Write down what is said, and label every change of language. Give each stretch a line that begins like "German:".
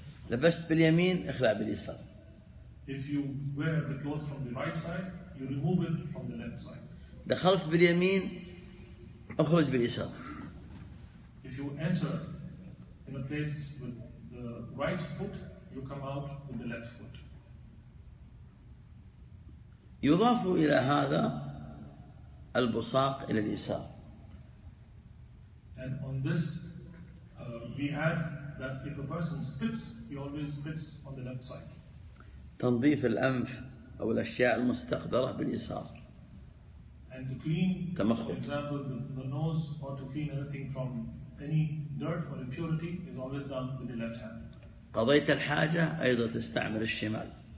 Arabic: لبست باليمين اخلع باليسار.
English: If you wear the clothes from the right side, you remove it from the left side.
Arabic: دخلت باليمين اخرج باليسار.
English: If you enter in a place with the right foot, you come out with the left foot.
Arabic: يضاف الى هذا البصاق الى اليسار.
English: And on this we add that if a person spits, he always spits on the left side.
Arabic: تنظيف الانف او الاشياء المستقذره باليسار.
English: And to clean, for example, the nose, or to clean anything from any dirt or impurity, is always done with the left hand.
Arabic: قضيت الحاجة أيضا تستعمل الشمال.